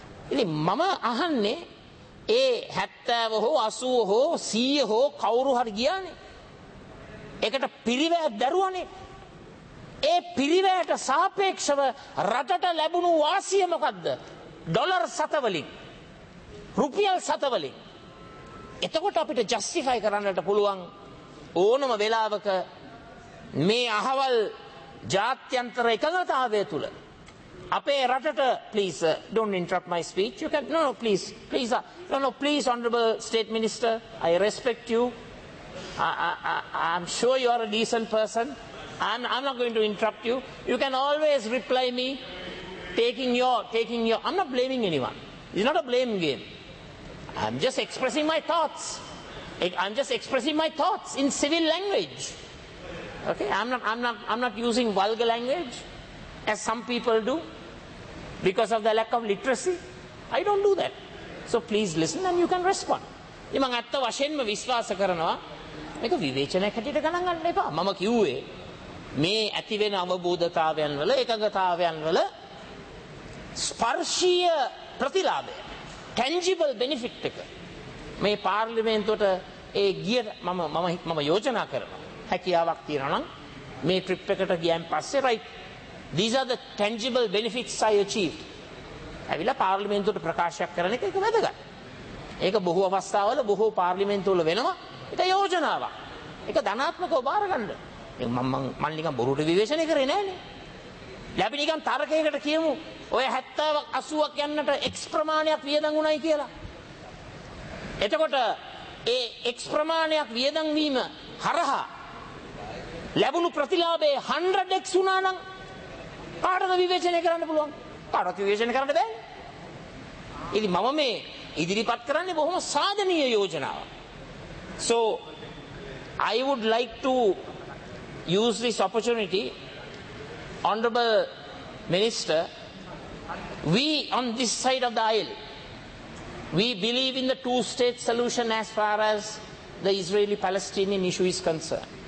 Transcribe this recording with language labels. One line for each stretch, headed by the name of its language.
Sinhala: ඉතින් මම අහන්නේ ඒ 70 හෝ 80 හෝ 100 හෝ කවුරු හරි ගියානේ, ඒකට පිරිවැයක් දරුවානේ, ඒ පිරිවැයට සාපේක්ෂව රටට ලැබුණු වාසිය මොකද්ද? ඩොලර් 7 වලින්, රුපියල් 7 වලින්. එතකොට අපිට ජස්ටිෆයි කරන්නට පුළුවන් ඕනම වෙලාවක මේ අහවල් ජාත්‍යන්තර එකඟතාවය තුළ අපේ රටට.
English: Please don't interrupt my speech. You can, no please, please please honorable state minister, I respect you. I'm sure you are a decent person and I'm not going to interrupt you. You can always reply me, taking your I'm not blaming anyone. It's not a blame game. I'm just expressing my thoughts in civil language. Okay, I'm not using vulgar language as some people do because of the lack of literacy. I don't do that. So please listen and you can respond.
Sinhala: මම ඇත්ත වශයෙන්ම විශ්වාස කරනවා මේක විවේචනයක් හැටියට ගණන් ගන්න එපා. මම කිව්වේ මේ ඇති වෙන අවබෝධතාවයන් වල ඒකඟතාවයන් වල ස්පර්ශීය ප්‍රතිලාභය, ටැන්ජිබල් බෙනිෆිට් එක මේ පාර්ලිමේන්තුවට ඒ ගිය මම යෝජනා කරනවා. හැකියාවක් තියෙනවා නම් මේ ට්‍රිප් එකට ගියන් පස්සේ right
English: these are the tangible benefits I achieved.
Sinhala: ඇවිල්ලා පාර්ලිමේන්තුවට ප්‍රකාශයක් කරන එක වැදගත්. ඒක බොහෝ අවස්ථාවල බොහෝ පාර්ලිමේන්තුවල වෙනවා. ඒක යෝජනාවක්. ඒක ධනාත්මකව බාර ගන්න. ඒ මම නිකන් බොරුට විවේචනය කරේ නෑනේ. ලැබි නිකන් තර්කයකට කියමු. ඔය 70ක් 80ක් යන්නට x ප්‍රමාණයක් වියදම් වුණයි කියලා. එතකොට ඒ x ප්‍රමාණයක් වියදම් වීම හරහා ලැබුණු ප්‍රතිලාභයේ 100x වුණා නම් කාටද විවේචනය කරන්න පුළුවන්? කාටවත් විවේචනය කරන්න බෑ. ඉතින් මම මේ ඉදිරිපත් කරන්නේ බොහොම සාධනීය යෝජනාවක්.
English: So I would like to use this opportunity, honorable minister, we on this side of the aisle, we believe in the two state solution as far as the Israeli-Palestinian issue is concerned.